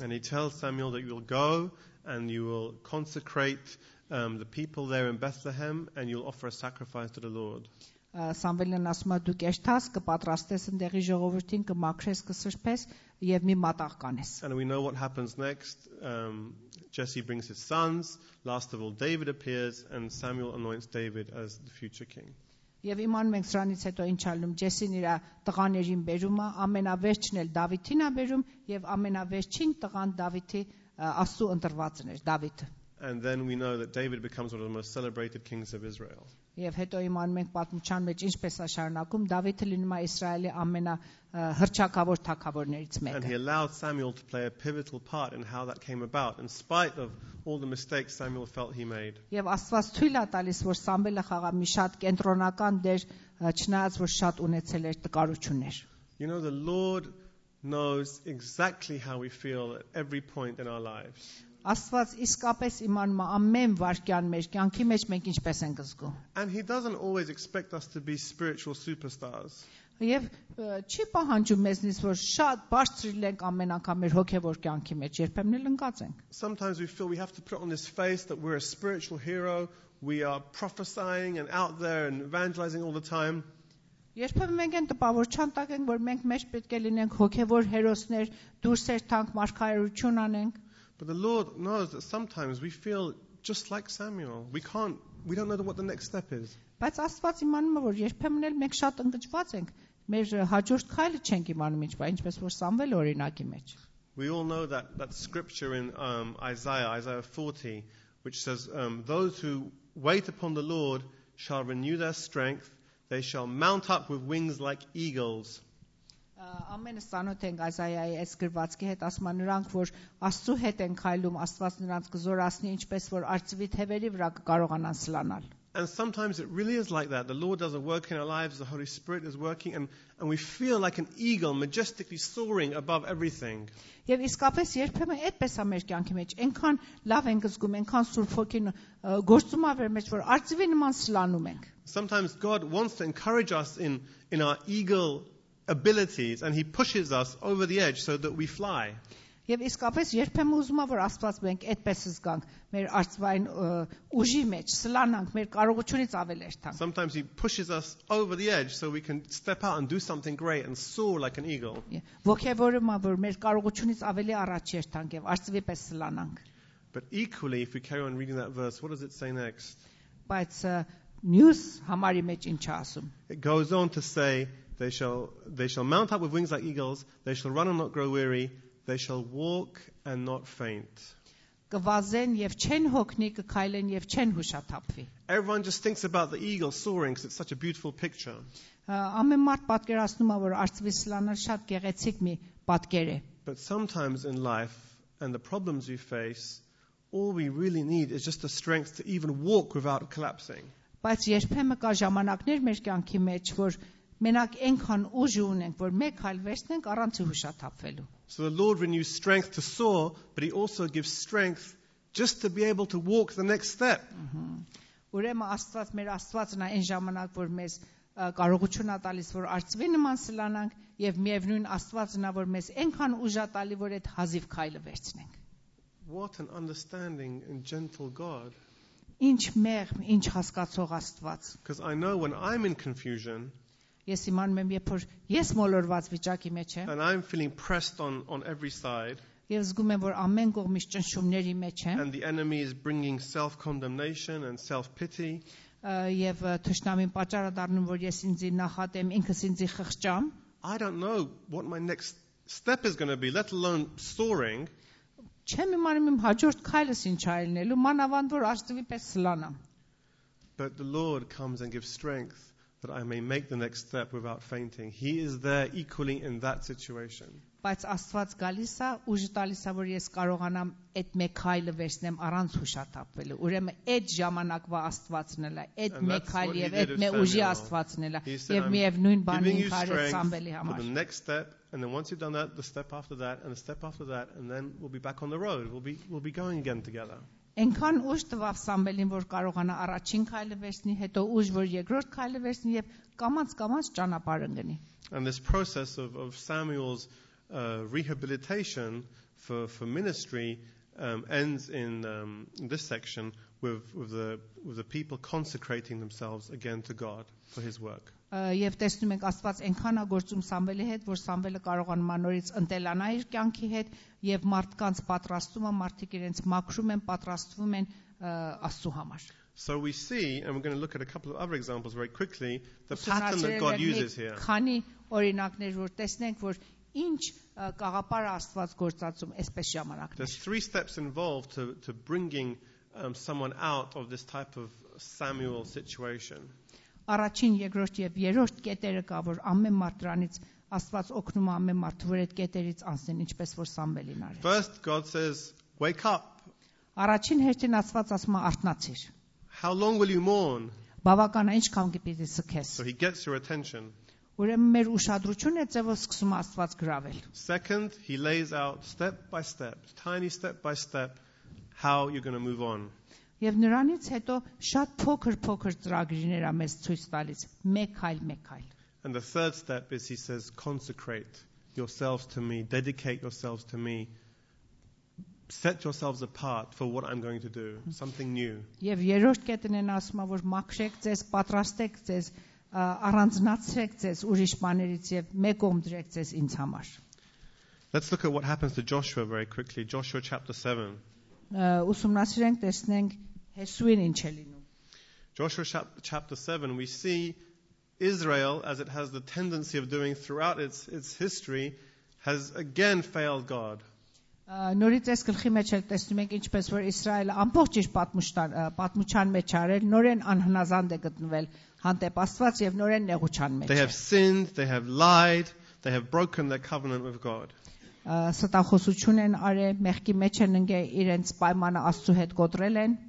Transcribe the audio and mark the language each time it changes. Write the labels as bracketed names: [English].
[English] And he tells Samuel that you'll go and you will consecrate the people there in Bethlehem and you'll offer a sacrifice to the Lord. [Armenian] Սամվելն ասում է դու կեշտաս կպատրաստես այնտեղի ժողովրդին կմաքրես կսրբես եւ մի մատաղ կանես. [English] And we know what happens next. Jesse brings his sons, last of all David appears and Samuel anoints David as the future king. [Armenian] Եվ իման մենք սրանից հետո ինչ ալում Ջեսին իր տղաներին բերում է, ամենավերջն էլ Դավիթին է բերում եւ ամենավերջին տղան Դավիթի Աստծո ընտրվածն էր Դավիթը. [English] And then we know that David becomes one of the most celebrated kings of Israel. [Armenian] Եվ հետո իմանում ենք պատմության մեջ ինչպես է շարունակում Դավիթը լինում է Իսրայելի ամենահրճակավոր թագավորներից մեկը. [English] And he allowed Samuel to play a pivotal part in how that came about in spite of all the mistakes Samuel felt he made. [Armenian] Եվ Աստված թույլ է տալիս որ Սամվելը խաղա մի շատ կենտրոնական դեր չնայած որ շատ ունեցել էր տկարություններ. [English] You know the Lord knows exactly how we feel at every point in our lives. [Armenian] Աստված իսկապես իմանում է ամեն վարքյան մեր կյանքի մեջ մենք ինչպես ենք զգում։ [English] And he doesn't always expect us to be spiritual superstars. [Armenian] Եվ չի պահանջում մեզնից որ շատ բարձր լինենք ամեն անգամ մեր հոգևոր կյանքի մեջ, երբեմն էլ ընկածենք։ [English] Sometimes we feel we have to put on this face that we're a spiritual hero, we are prophesying and out there and evangelizing all the time. [Armenian] Երբեմն մենք են տպավորչան տակ ենք որ մենք մեզ պետք է լինենք հոգևոր հերոսներ, դուրս եր թանկ մարգարություն անենք։ [English] But the Lord knows that sometimes we feel just like Samuel. We don't know what the next step is. [Armenian] Բայց Աստված իմանում է որ երբեմն էլ մենք շատ ընկճված ենք, մեր հաջորդ քայլը չենք իմանում ինչ բա, ինչպես որ Սամվել օրինակի մեջ։ [English] We all know that scripture in Isaiah 40 which says those who wait upon the Lord shall renew their strength, they shall mount up with wings like eagles. [Armenian] Ամենը ցանոթ են Ազայայի այս գրվածքի հետ, ասում են նրանք, որ Աստծո հետ են քայլում, Աստված նրանց կզորացնի, ինչպես որ արծվի թևերի վրա կարողանան սլանալ։ [English] And sometimes it really is like that. The Lord does a work in our lives, the Holy Spirit is working and we feel like an eagle majestically soaring above everything. [Armenian] Եվ իսկապես երբեմն այդպես է մեր կյանքի մեջ, այնքան լավ են զգում, այնքան Սուրբ Հոգին գործում է մեր մեջ, որ արծվի նման սլանում ենք։ [English] Sometimes God wants to encourage us in our eagle abilities and he pushes us over the edge so that we fly. [Armenian] Եվ իսկապես երբեմն ուզում ավ որ Աստված մենք այդպես զգանք, մեր արծվային ուժի մեջ սլանանք, մեր կարողությունից ավելերթանք. [English] Sometimes he pushes us over the edge so we can step out and do something great and soar like an eagle. [Armenian] Ոգևորում ավ որ մեր կարողությունից ավելի առաջ երթանք եւ արծվի պես սլանանք. [English] But equally if we carry on reading that verse, what does it say next? [Armenian] Բայց մյուս համարի մեջ ինչ ասում? [English] It goes on to say They shall mount up with wings like eagles, they shall run and not grow weary, they shall walk and not faint. [Armenian] կվազեն եւ չեն հոգնի, կքայլեն եւ չեն հուշաթափվի. [English] Everyone just thinks about the eagle soaring because it's such a beautiful picture. [Armenian] Ամեն մարդ պատկերացնում է, որ արծվի սլանը շատ գեղեցիկ մի պատկեր է. [English] But sometimes in life and the problems we face, all we really need is just the strength to even walk without collapsing. [Armenian] Բայց երբեմն կա ժամանակներ մեր կյանքի մեջ, որ մենակ այնքան ուժ ունենք, որ մեկ հայլ վերցնենք առանց հուշաթափվելու. [English] So the Lord renews strength to soar, but he also gives strength just to be able to walk the next step. [Armenian] Ուրեմն Աստված, մեր Աստվածն է այն ժամանակ, որ մեզ կարողություն է տալիս, որ արծվի նման սլանանք, եւ միևնույն Աստվածն է, որ մեզ այնքան ուժ է տալի, որ այդ հազիվ քայլը վերցնենք. [English] What an understanding and gentle God. [Armenian] Ինչ մեղմ, ինչ հասկացող Աստված. [English] Because I know when I'm in confusion, [Armenian] ես իմանում եմ, երբ որ ես մոլորված վիճակի մեջ եմ, [English] and I'm feeling pressed on every side, [Armenian] ես զգում եմ, որ ամեն կողմից ճնշումների մեջ եմ, [English] and the enemy is bringing self-condemnation and self-pity, [Armenian] եւ թշնամին պատճառը դառնում, որ ես ինձ նախատեմ, ինքս ինձ խղճամ, [English] I don't know what my next step is going to be, let alone soaring. [Armenian] Չեմ իմանում իմ հաջորդ քայլս ինչ այլնելու, մանավանդ որ աստվի պես սլանամ. [English] But the Lord comes and gives strength that I may make the next step without fainting. He is there equally in that situation. [Armenian] Բայց Աստված գալիս է, ուժ տալիս է, որ ես կարողանամ այդ մեկ քայլը վերցնեմ առանց հուշաթափվելու. Ուրեմն այդ ժամանակվա Աստվածն էլ է, այդ մեկ քայլ եւ այդ մեկ ուժի Աստվածն էլ է, եւ միևնույն բանի հարց Սամբելի համար. [English] For the next step, and then once you've done that, the step after that, and the step after that, and then we'll be back on the road. We'll be going again together. [Armenian] Ինքան ուժ տվավ Սամբելին, որ կարողանա առաջին քայլը վերցնի, հետո ուժ, որ երկրորդ քայլը վերցնի եւ կամաց-կամաց ճանապարհ ընկնի. [English] And this process of Samuel's rehabilitation for ministry ends in this section with the people consecrating themselves again to God for his work. [Armenian] Եվ տեսնում ենք Աստված այնքան է գործում Սամվելի հետ, որ Սամվելը կարողանում է նորից ընտելանալ իր կյանքի հետ եւ մարդկանց պատրաստում է, մարդիկ իրենց մաքրում են, պատրաստվում են Աստծո համար. [English] So we see, and we're going to look at a couple of other examples very quickly, the pattern that God uses here. [Armenian] Քանի օրինակներ, որ տեսնենք, որ ինչ կաղապար Աստված գործածում այսպես ժամանակներ. [English] There's three steps involved to bringing someone out of this type of Samuel situation. [Armenian] Առաջին, երկրորդ եւ երրորդ կետերը կա, որ ամեն մարդրանից Աստված օգնում է ամեն մարդ, որ այդ կետերից անցնեն, ինչպես որ Սամբելին արեց. [English] First God says, wake up. [Armenian] Առաջին հերթին Աստված ասում է, արթնացիր. [English] How long will you mourn? [Armenian] Բավական է, ինչքան կպիտի սկես։ [English] So he gets your attention. [Armenian] Ուրեմն մեր ուշադրությունը ձեւը սկսում Աստված գրավել. [English] Second, he lays out step by step, tiny step by step how you're going to move on. [Armenian] Եվ նրանից հետո շատ փոքր-փոքր ծրագրիներ է մեզ ցույց տալիս, մեկ այլ, մեկ այլ. [English] And the third step is he says consecrate yourselves to me, dedicate yourselves to me. Set yourselves apart for what I'm going to do, something new. [Armenian] Եվ երրորդ կետն են ասում, որ մաքրեք ձեզ, պատրաստեք ձեզ, առանձնացրեք ձեզ ուրիշ բաներից եւ մեկ օմ դրեք ձեզ ինձ համար. [English] Let's look at what happens to Joshua very quickly, Joshua chapter 7. [Armenian] Ուսումնասիրենք, տեսնենք Հեսուին ինչ է լինում. [English] Joshua chapter 7 we see Israel, as it has the tendency of doing throughout its history, has again failed God. [Armenian] Նորից էս գլխի մեջ էլ տեսնում ենք, ինչպես որ Իսրայելը ամբողջ իր պատմության մեջ արել նորեն անհնազանդ է գտնվել հանդեպ Աստված եւ նորեն նեղության մեջ. [English] They have sinned, they have lied, they have broken their covenant with God. [Armenian] Ստախոսություն են արել, մեղքի մեջ են ընկել, իրենց պայմանը Աստծո հետ կոտրել են.